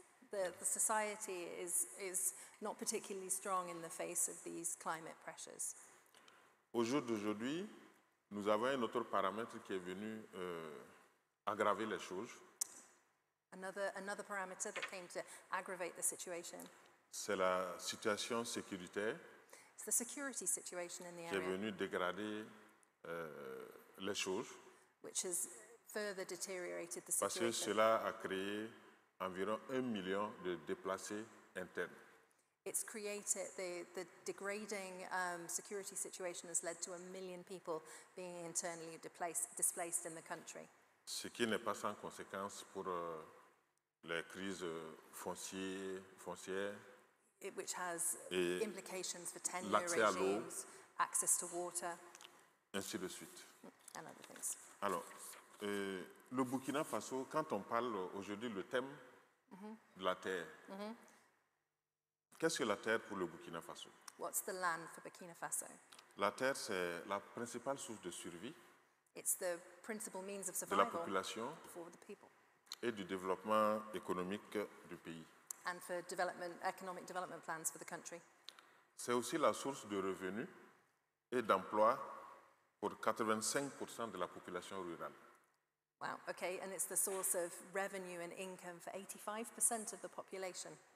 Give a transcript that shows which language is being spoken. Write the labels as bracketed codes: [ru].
[en] The society is not particularly strong in the face of these climate pressures. [fr] Au jour d'aujourd'hui, nous avons un autre paramètre qui est venu aggraver les choses. [en] Another parameter that came to aggravate the situation. [fr] C'est la situation sécuritaire. [en] It's the security situation in the area. [fr] Qui est venu dégrader les choses. [en] Which has further deteriorated the situation. [fr] Parce que cela a créé environ 1 million de déplacés internes. [en] It's created the degrading security situation has led to 1 million people being internally displaced in the country. [fr] Ce qui n'est pas sans conséquence pour les crises foncières. [en] It, which has implications for tenure regimes, access to water. [fr] Ainsi de suite. [en] And other things. [fr] Alors, Le Burkina Faso, quand on parle aujourd'hui le thème de la terre, qu'est-ce que la terre pour le Burkina Faso? [en] What's the land for Burkina Faso? [fr] La terre, c'est la principale source de survie. [en] It's the principal means of survival [fr] de la population [en] for the people. [fr] Et du développement économique du pays. [en] And for development, economic development plans for the country. [fr] C'est aussi la source de revenus et d'emplois pour 85% de la population rurale. [en] Wow, okay, and it's the source of revenue and income for 85% of the population.